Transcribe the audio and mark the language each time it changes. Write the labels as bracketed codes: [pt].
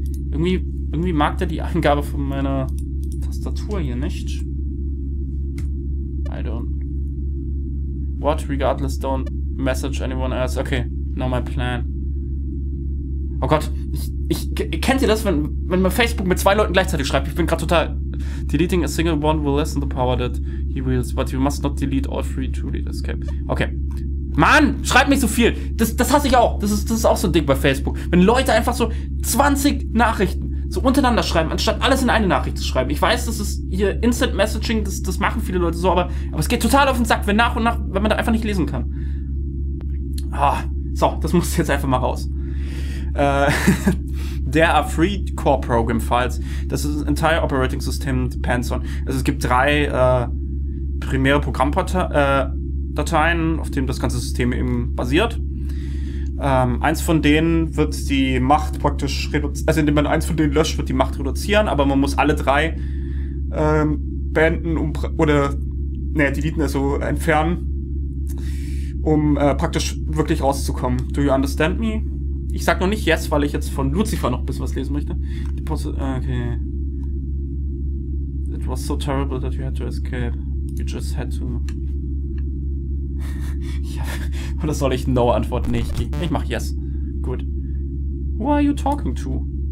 [de] Irgendwie mag der die Eingabe von meiner Tastatur hier nicht. [en] I don't... What? Regardless, don't... Message anyone else. Okay, now my plan. [de] Oh Gott, kennt ihr das, wenn man Facebook mit zwei Leuten gleichzeitig schreibt? Ich bin gerade total... [en] Deleting a single one will lessen the power that he wields, but you must not delete all three to escape. [de] Okay. Mann, schreib nicht so viel. Das hasse ich auch. Das ist auch so ein Ding bei Facebook. Wenn Leute einfach so 20 Nachrichten so untereinander schreiben, anstatt alles in eine Nachricht zu schreiben. Ich weiß, das ist hier Instant Messaging, das machen viele Leute so, aber es geht total auf den Sack, wenn nach und nach, wenn man da einfach nicht lesen kann. Ah, so, das muss jetzt einfach mal raus. [en] There are three core program files. [de] Das ist das [en] entire operating system depends on. [de] Also es gibt drei primäre Programmdateien, auf denen das ganze System eben basiert. Eins von denen wird die Macht praktisch reduzieren. Also indem man eins von denen löscht, wird die Macht reduzieren, aber man muss alle drei beenden deleten, also entfernen. Um praktisch wirklich rauszukommen. [en] Do you understand me? [de] Ich sag noch nicht [en] yes, [de] weil ich jetzt von Lucifer noch ein bisschen was lesen möchte. Okay. [en] It was so terrible that you had to escape. You just had to. [de] Oder soll ich no antworten? Nee, ich mach yes. Gut. [en] Who are you talking to?